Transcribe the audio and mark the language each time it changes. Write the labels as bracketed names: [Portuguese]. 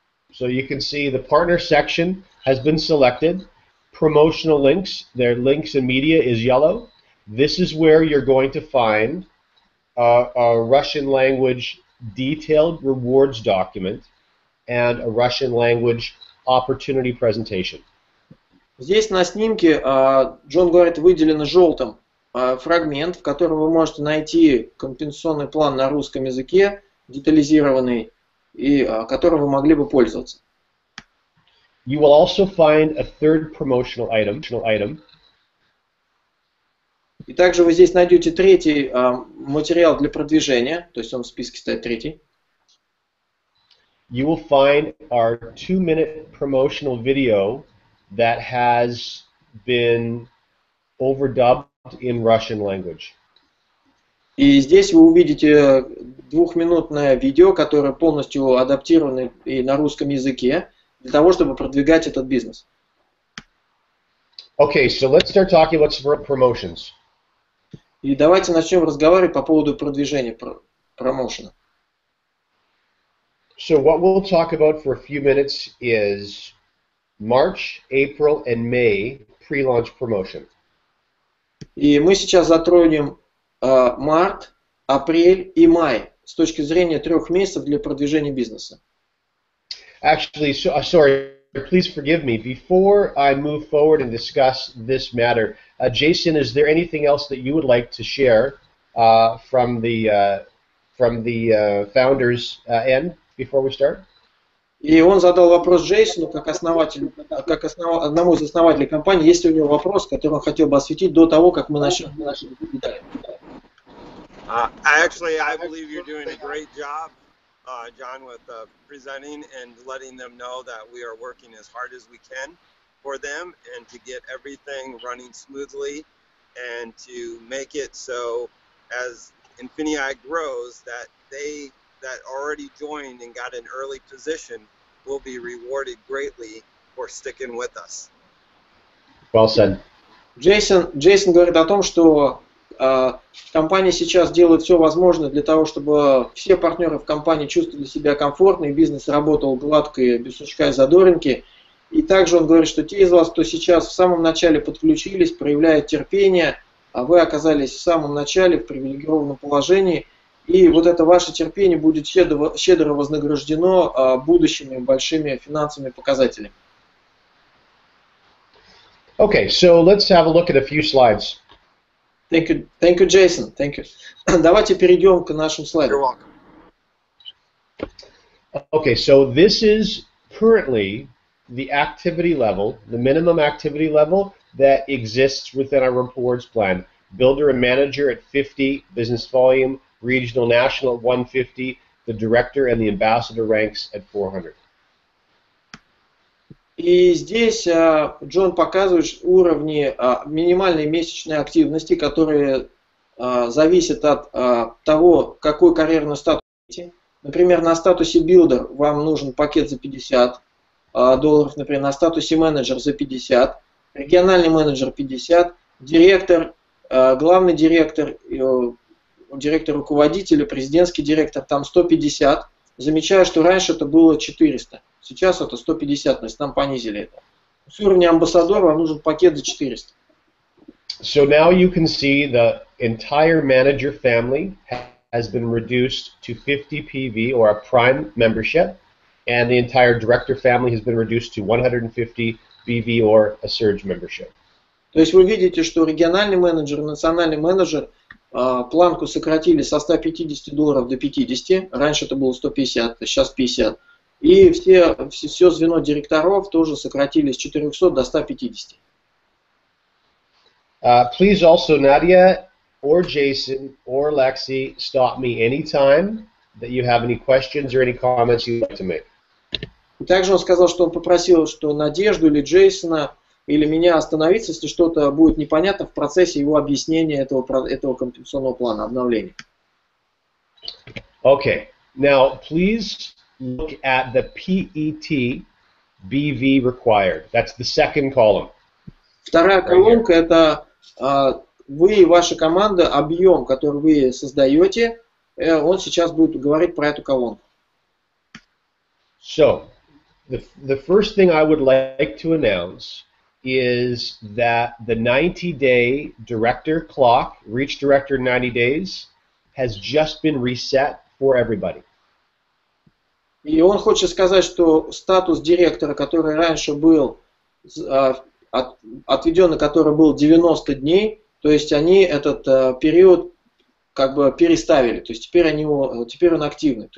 [English] So you can see the partner section has been selected. Promotional links, their links and media is yellow. This is where you're going to find a Russian language detailed rewards document and a Russian language opportunity presentation. [Russian] Здесь на снимке Джон говорит, выделено желтым фрагмент, в котором вы можете найти компенсационный план на русском языке, детализированный, и которым вы могли бы пользоваться. [English] You will also find a third promotional item. [Russian] И также вы здесь найдете третий материал для продвижения, то есть он в списке стоит третий. [English] You will find our 2-minute promotional video that has been overdubbed in Russian language. [Russian] И здесь вы увидите 2-минутное видео, которое полностью адаптировано и на русском языке для того, чтобы продвигать этот бизнес. [English] Okay, so let's start talking about promotions. [Russian] И давайте начнем разговаривать по поводу продвижения промоушена. [English] So what we'll talk about for a few minutes is March, April and May pre-launch promotion. [Russian] И мы сейчас затронем март, апрель и май с точки зрения 3 месяцев для продвижения бизнеса. [English] Actually, sorry, please forgive me. Before I move forward and discuss this matter, Jason, is there anything else that you would like to share from the founder's end before we start? [Russian] И он задал вопрос Джейсону, как основателю, одному из основателей компании, есть ли у него вопрос, который он хотел бы осветить до того, как мы начнем наши детали. [English] Actually, I believe you're doing a great job, John, with presenting and letting them know that we are working as hard as we can for them and to get everything running smoothly and to make it so as Infineon grows that they that already joined and got an early position will be rewarded greatly for sticking with us. Well said. [Russian] Jason говорит о том, что компания сейчас делает все возможное для того, чтобы все партнеры в компании чувствовали себя комфортно и бизнес работал гладко и без сучка и задоринки. И также он говорит, что те из вас, кто сейчас в самом начале подключились, проявляют терпение, а вы оказались в самом начале в привилегированном положении, и вот это ваше терпение будет щедро вознаграждено будущими большими финансовыми показателями. [English] Okay, so let's have a look at a few slides. Thank you, Jason. Thank you. [Russian] Давайте перейдем к нашим слайдам. [English] You're welcome. Okay, so this is currently the activity level, the minimum activity level that exists within our rewards plan. Builder and manager at 50, business volume, regional, national at 150, the director and the ambassador ranks at 400. [Russian] И здесь Джон показывает уровни минимальной месячной активности, которые зависят от того, какой карьерный статус вы имеете. Например, на статусе билдер вам нужен пакет за $50, например, на статусе менеджер за $50, региональный менеджер $50, директор, главный директор, директор-руководитель, президентский директор там $150. Замечаю, что раньше это было 400, сейчас это 150, то есть нам понизили это. С уровня амбассадора вам нужен пакет за 400. [English] So now you can see the entire manager family has been reduced to 50 PV, or a prime membership, and the entire director family has been reduced to 150 BV or a Surge membership. [Russian] То есть вы видите, что региональный менеджер, национальный менеджер планку сократили со $150 до 50, раньше это было 150, сейчас 50. И все звено директоров тоже сократили с 400 до 150. [English] Please also, Nadia, or Jason, or Lexi, stop me anytime that you have any questions or any comments you'd like to make. [Russian] Также он сказал, что он попросил, что Надежду или Джейсона или меня остановиться, если что-то будет непонятно в процессе его объяснения этого компенсационного плана, обновления. [English] Okay. Now, please look at the PET BV required. That's the second column. [Russian] Вторая колонка – это вы и ваша команда, объем, который вы создаете, он сейчас будет говорить про эту колонку. [English] So, the first thing I would like to announce is that the 90-day director clock, reach director 90 days, has just been reset for everybody. [Russian] И он хочет сказать, что статус директора, который раньше был, отведен на который был 90 дней, то есть они этот период как бы переставили, то есть теперь он активный.